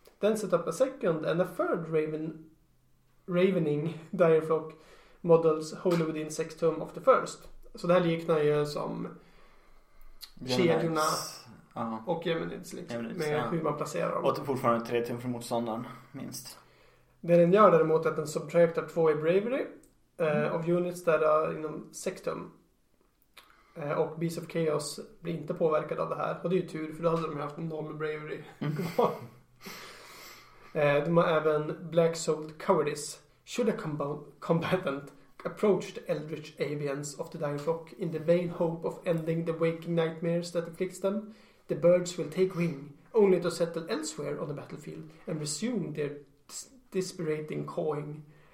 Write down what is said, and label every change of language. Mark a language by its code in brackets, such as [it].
[en] Then set up a second and a third Ravening Direflock models wholly within 6 tum of the first. [sv] Så det här liknar ju som kedjorna och Geminids liksom, med hur man placerar dem. Och fortfarande 3 tum från motståndaren, minst. Det den gör däremot är att den subtractar 2 i bravery av units där är inom 6 tum. Och Beast of Chaos blir inte påverkad av det här. Och det är ju tur, för då hade de haft en normal bravery. De har även Black Souled Cowardice. [en] Should a combatant approach the Eldritch Avians of the Dying Flock in the vain hope of ending the waking nightmares that afflicts them, the birds will take wing, only to settle elsewhere on the battlefield and resume their dispiriting cawing.